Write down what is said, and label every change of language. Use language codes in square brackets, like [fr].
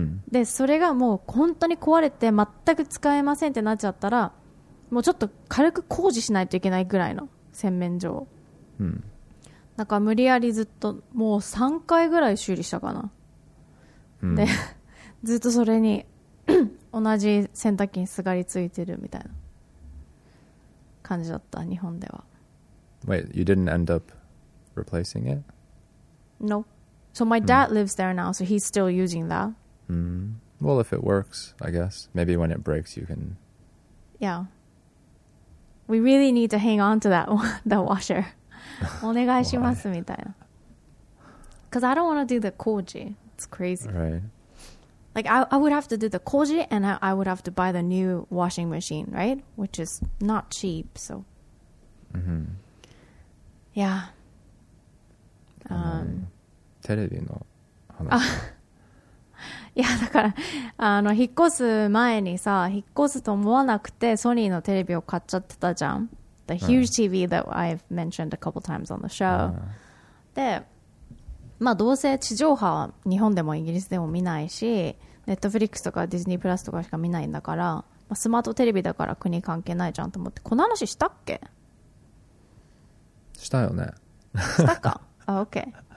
[ja] でそれがもう本当に壊れて全く使えませんってなっちゃったらもうちょっと軽く工事しないといけないぐらいの洗面所、なんか無理やりずっともう3回ぐらい修理したかな、でずっとそれに同じ洗濯機にすがりついてるみたいな感じだった日本では。 [en] Wait, you didn't end up replacing it? No. So my dad lives there now, so he's still using that. Well, if it works, I guess. Maybe when it breaks, you can... Yeah. We really need to hang on to that the washer. [ja] お願いしますみたいな。 [en] Because I don't want to do the koji. It's crazy. Right. Like, I would have to do the koji, and I would have to buy the new washing machine, right? Which is not cheap, so... Mm-hmm. Yeah. [ja] テレビの話。いやだからあの引っ越す前にさ引っ越すと思わなくてソニーのテレビを買っちゃってたじゃん。 [en] The huge TV that I've mentioned a couple times on the show. [ja] で、まあどうせ地上波は日本でもイギリスでも見ないし、Netflix とかディズニープラスとかしか見ないんだから、まあ、スマートテレビだから国関係ないじゃんと思って、この話したっけ？したよね。したか。あ、OK。